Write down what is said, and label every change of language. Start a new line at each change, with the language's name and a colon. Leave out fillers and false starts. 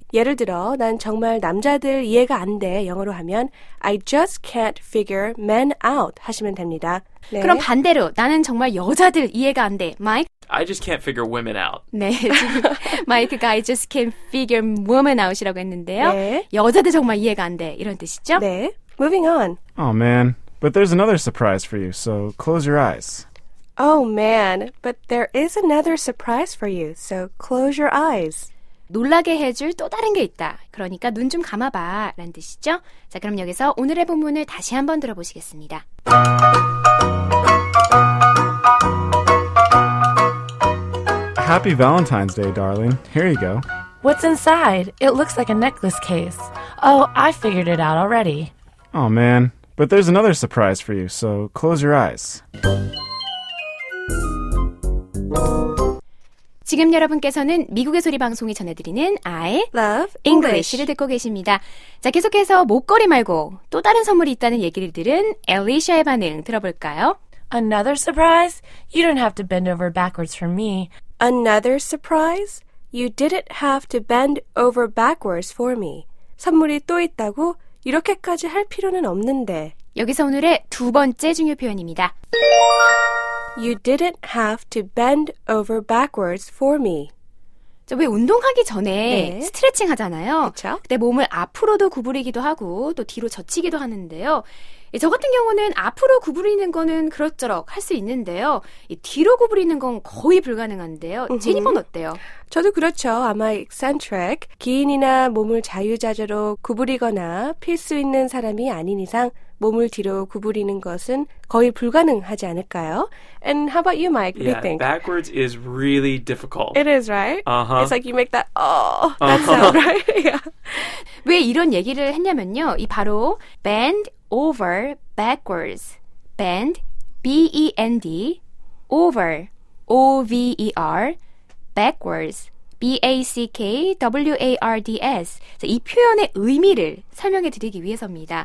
Korean: 예를 들어 난 정말 남자들 이해가 안 돼 영어로 하면
English: I just can't figure men out
Korean: 하시면 됩니다. 네. 그럼 반대로 나는 정말 여자들 이해가 안 돼. 마이크?
English: I just can't figure women out.
Korean: 네, 지금 마이크가
English: I just can't figure women out
Korean: 이라고 했는데요. 네. 여자들 정말 이해가 안 돼 이런 뜻이죠?
English: 네. Moving on. Oh, man. But there's another surprise for you, so close your eyes. Oh, man. But there is another surprise for you, so close your eyes.
Korean: 놀라게 해줄 또 다른 게 있다. 그러니까 눈 좀 감아봐, 라는 뜻이죠? 자, 그럼 여기서 오늘의 본문을 다시 한번 들어보시겠습니다.
English: Happy Valentine's Day, darling. Happy Valentine's Day, darling. Here you go. What's inside? It looks like a necklace case. Oh, I figured it out already. Oh, man. But there's another surprise for you, so close your eyes.
Korean: 지금 여러분께서는 미국의 소리 방송이 전해드리는 I
English: Love English를
Korean: 듣고 계십니다. 자, 계속해서 목걸이 말고 또 다른 선물이 있다는 얘기를 들은 엘리샤의 반응 들어볼까요?
English: Another surprise? You don't have to bend over backwards for me. Another surprise? You didn't have to bend over backwards for me.
Korean: 선물이 또 있다고 이렇게까지 할 필요는 없는데. 여기서 오늘의 두 번째 중요 표현입니다.
English: You didn't have to bend over backwards for me.
Korean: 저 왜 운동하기 전에 네. 스트레칭 하잖아요. 그쵸? 그때 몸을 앞으로도 구부리기도 하고 또 뒤로 젖히기도 하는데요. 저 같은 경우는 앞으로 구부리는 거는 그럭저럭 할 수 있는데요. 뒤로 구부리는 건 거의 불가능한데요. 제니퍼는 어때요? 저도 그렇죠. 아마 eccentric. 기인이나 몸을 자유자재로 구부리거나 필 수 있는 사람이 아닌 이상 몸을 뒤로 구부리는 것은 거의 불가능하지 않을까요?
English: And how about you, Mike? What yeah, do you think? Backwards is really difficult. It is, right? Uh-huh. It's like you make that, oh, that sound, right?
Korean: 왜 이런 얘기를 했냐면요.
English: 이 바로 bend over backwards. Bend, B-E-N-D, over, O-V-E-R, backwards.
Korean: B-A-C-K-W-A-R-D-S 자, 이 표현의 의미를 설명해 드리기 위해서입니다.